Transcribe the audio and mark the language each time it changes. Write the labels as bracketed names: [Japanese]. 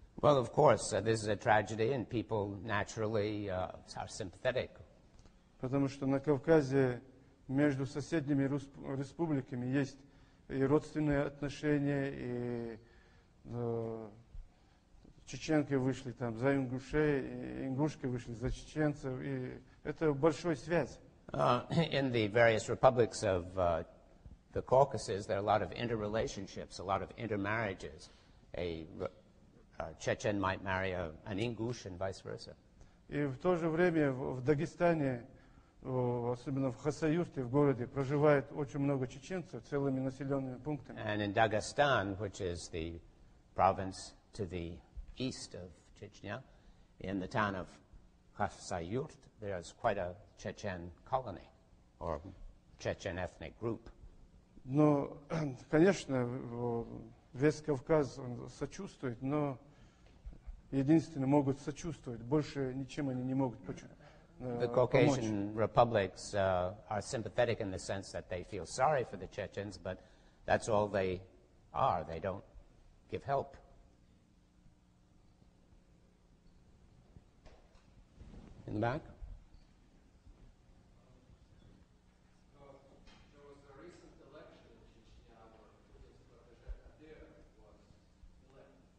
[English] Well, of course, this is a tragedy, and people naturally are sympathetic. [Russian] Потому что на Кавказе между соседними республиками есть и родственные отношения, и чеченки вышли там за ингушей, и ингушки вышли за чеченцев, и это большая связь. [English] In the various republics of the Caucasus, there are a lot of interrelationships, a lot of intermarriages. A Chechen might marry an Ingush and vice versa. [Russian] И в то же время в Дагестане, особенно в Хасаюрте, в городе, проживает очень много чеченцев целыми населенными пунктами. [English] And in Dagestan, which is the province to the east of Chechnya, in the town of Хасаюрт, there is quite a Chechen colony or Chechen ethnic group. [Russian] Но, конечно, весь Кавказ сочувствует, но единственное, могут сочувствовать, больше ничем они не могут помочь. [English] The Caucasian republics are sympathetic in the sense that they feel sorry for the Chechens, but that's all they are. They don't give help. In the back. There was a recent election in Chechnya where his protege Kadyr was elected.